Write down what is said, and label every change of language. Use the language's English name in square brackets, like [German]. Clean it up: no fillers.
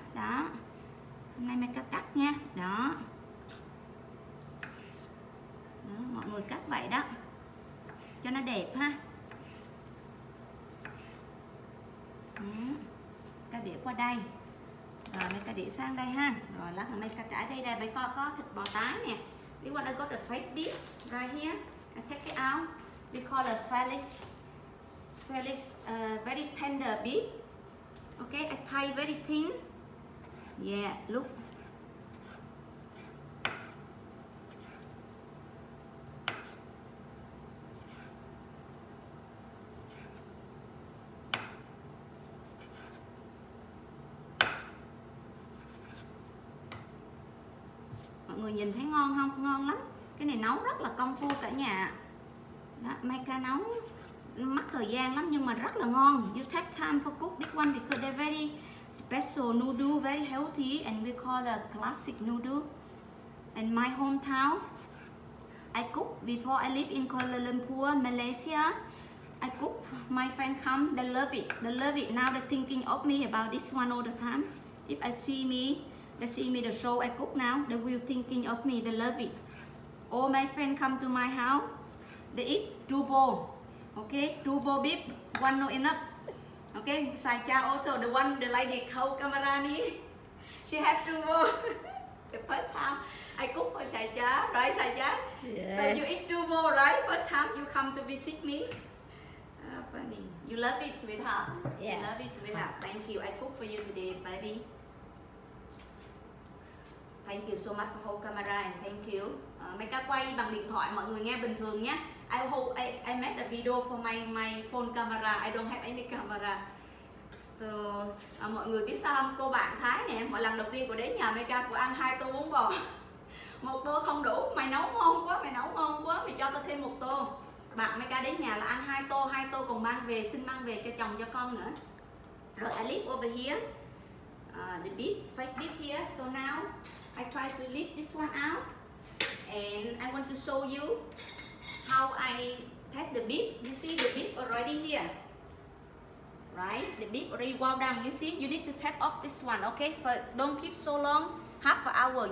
[Vietnamese] Đó, hôm nay Mika cắt nha. Đó, đó mọi người cắt vậy đó cho nó đẹp ha. Mika để qua đây rồi Mika để sang đây ha. Rồi lát nữa Mika trải đây đây, bây coi có thịt bò tái nè. [English] This one I got the fake beef right here. I take it out. We call it fillet, very tender beef. Okay, I tie very thin. Yeah, look. [Vietnamese] Mọi người nhìn thấy ngon không? Ngon lắm. Cái này nấu rất là công phu cả nhà. Đó, Mika nấu mất thời gian lắm nhưng mà rất là ngon. [English] You take time for cook this one because they're very special noodle, very healthy and we call the classic noodle. In my hometown, I cook before I live in Kuala Lumpur, Malaysia. I cook, my friend come, they love it. They love it. Now they're thinking of me about this one all the time. If I see me, they see me the show I cook now, they will thinking of me, they love it. All my friend come to my house, they eat two bowl. Okay, two bowl beef, one not enough. Okay, Sai Cha also, the one, the lady hold camera ni. She have two bowl. The first time I cook for Sai Cha, right Sai Cha? Yes. So you eat two bowl, right? First time you come to visit me. Funny. You love it, sweetheart. Yes. You love it, sweetheart. Thank you, I cook for you today, baby. Thank you so much for hold camera and thank you. [Vietnamese] Mika quay bằng điện thoại mọi người nghe bình thường nhé. [English] I made a video for my phone camera. I don't have any camera. So [Vietnamese] mọi người biết sao không? Cô bạn Thái nè, mọi lần đầu tiên của đến nhà Mika của ăn hai tô bún bò. Một tô không đủ, mày nấu ngon quá, mày cho tao thêm một tô. Bạn Mika đến nhà là ăn hai tô còn mang về, xin mang về cho chồng cho con nữa. [English] Rồi I leave over here. The beef, fake beef here. So now I try to lift this one out and I want to show you how I take the beef. You see the beef already here, right? The beef already well done. You see, you need to take off this one, okay? First, don't keep so long, half an hour.